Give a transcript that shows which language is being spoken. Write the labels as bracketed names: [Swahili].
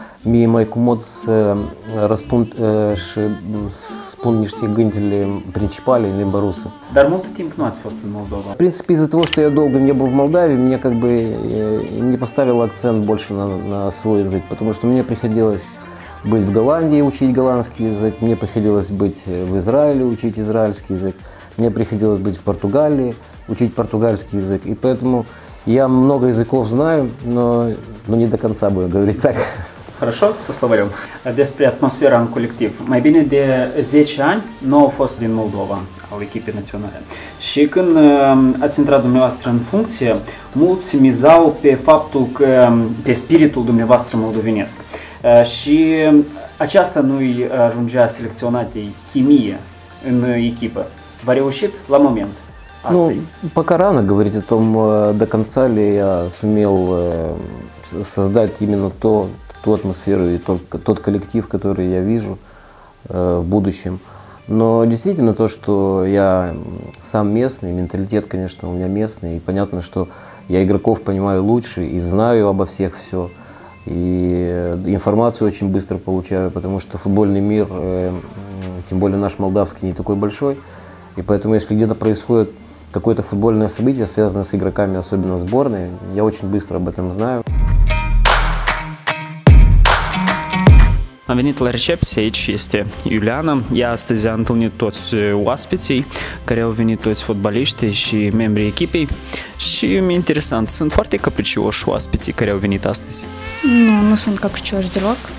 [Romanian] Mie mai comod să răspund și spun niște gândurile principale în limba rusă. Dar mult timp nu ați fost în Moldova. [Russian] В принципе, из-за того, что я долго не был в Молдове, мне как бы не поставил акцент больше на свой язык, потому что мне приходилось быть в Голландии, учить голландский язык, мне приходилось быть в Израиле, учить израильский язык, мне приходилось быть в Португалии, учить португальский язык, и поэтому я много языков знаю, но не до конца буду говорить так. Хорошо, со словарем. [Romanian] Despre atmosfera în colectiv. Mai bine de 10 ani, 9 au fost din Moldova, al echipei naționale. Și când ați intrat dumneavoastră în funcție, mulți mizau pe faptul că, pe spiritul dumneavoastră moldovenesc. Și aceasta nu-i ajungea selecționatei chimie în echipă. V-a reușit la moment? Asta-i. [Russian] Ну, пока рано говорить о том, до конца ли я сумел создать именно то, ту атмосферу и тот коллектив, который я вижу в будущем. Но действительно то, что я сам местный, менталитет, конечно, у меня местный, и понятно, что я игроков понимаю лучше и знаю обо всех все, и информацию очень быстро получаю, потому что футбольный мир, тем более наш молдавский, не такой большой, и поэтому если где-то происходит какое-то футбольное событие, связанное с игроками, особенно сборной, я очень быстро об этом знаю. [Romanian] Am venit la recepție, aici este Iuliana, ea astăzi a întâlnit toți oaspeții, care au venit toți fotbaliștii și membrii echipei. Și e interesant, sunt foarte capricioși oaspeții care au venit astăzi. Nu sunt capricioși deloc.